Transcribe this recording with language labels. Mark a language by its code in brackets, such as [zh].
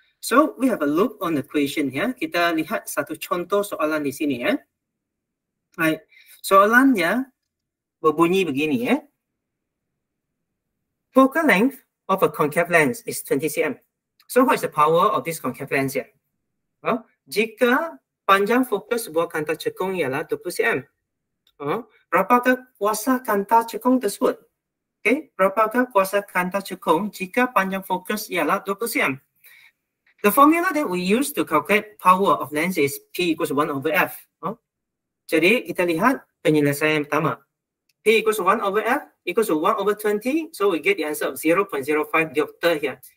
[en] So we have a look on the equation here. [ms] Kita lihat satu contoh soalan di sini ya. Right. Soalannya berbunyi begini ya. [en] Focal length of a concave lens is 20 cm. So what is the power of this concave lens here? [ms] Well, jika panjang fokus sebuah kanta cekung ialah 20 cm. Berapakah kuasa kanta cekung tersebut? Okay, berapakah kuasa kanta cekung jika panjang fokus ialah 20 cm? [en] The formula that we use to calculate power of lens is P equals 1 over F. [ms] Jadi kita lihat penyelesaian yang pertama. [en] P equals 1 over F equals 1 over 20. So we get the answer of 0.05 diopter here.